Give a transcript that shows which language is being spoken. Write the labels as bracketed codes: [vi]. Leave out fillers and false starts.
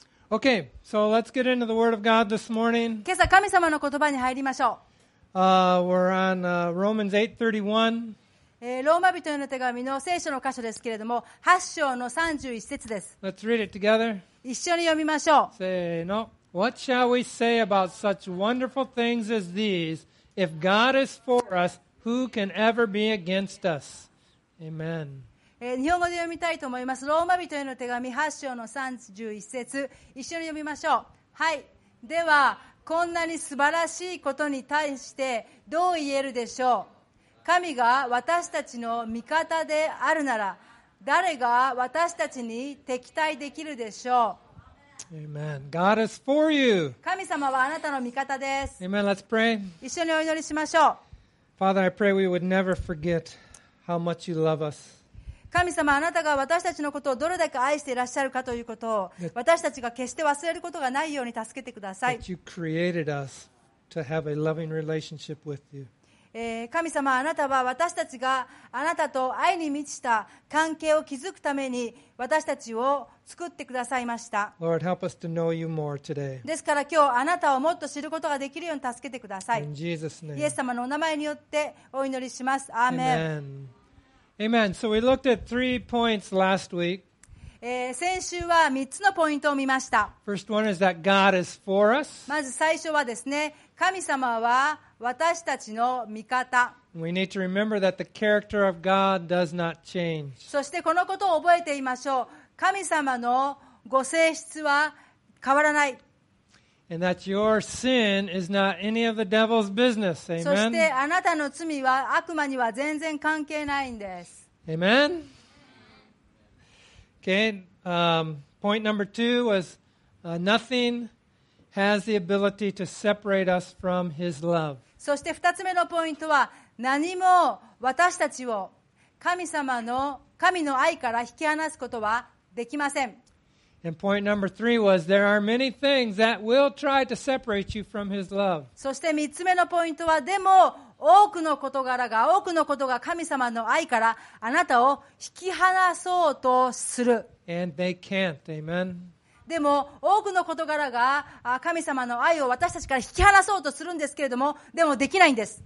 [en] Okay, so let's get into the Word of God this morning. [ja] 今朝神様の言葉に入りましょう。 [en] We're on Romans 8:31. [ja] ローマ人への手紙の聖書の箇所ですけれども、8章の31節です。 [en] Let's read it together. [ja] 一緒に読みましょう。せーの。 [en] What shall we say about such wonderful things as these? If God is for us, who can ever be against us? Amen. [ja] 日本語で読みたいと思います。ローマ人への手紙8章の31節、一緒に読みましょう。はい。ではこんなに素晴らしいことに対してどう言えるでしょう。神が私たちの味方であるなら、誰が私たちに敵対できるでしょう。 [en] Amen. God is for you. [ja] 神様はあなたの味方です。 [en] Amen. Let's pray. [ja] 一緒にお祈りしましょう。 [en] Father, I pray we would never forget how much you love us. [ja] 神様、あなたが私たちのことをどれだけ愛していらっしゃるかということを、私たちが決して忘れることがないように助けてください。 [en] That you created us to have a loving relationship with you. [ja] 神様、あなたは私たちがあなたと愛に満ちた関係を築くために私たちを作ってくださいました。 [en] Lord, help us to know you more today. [ja] ですから今日、あなたをもっと知ることができるように助けてください。 [en] In Jesus' name. [ja] イエス様のお名前によってお祈りします。アーメン。 [en] Amen. Amen. So we looked at three points last week. [ja] 先週は3つのポイントを見ました。 [en] First one is that God is for us. [ja] まず最初はですね、神様は私たちの味方。 [en] We need to remember that the character of God does not change. [ja] そしてこのことを覚えていましょう。神様のご性質は変わらない。 [en] And that your sin is not any of the devil's business. Amen. [ja] そしてあなたの罪は悪魔には全然関係ないんです。 [en] Amen. Okay. Point number two was nothing has the ability to separate us from His love. [ja] そして二つ目のポイントは何も私たちを神様の神の愛から引き離すことはできません。 [en] And point number three was there are many things that will try to separate you from His love. [ja] そして三つ目のポイントはでも多くの事柄が多くのことが神様の愛からあなたを引き離そうとする。 [en] And they can't, amen. [ja] でも多くの事柄が神様の愛を私たちから引き離そうとするんですけれどもでもできないんです。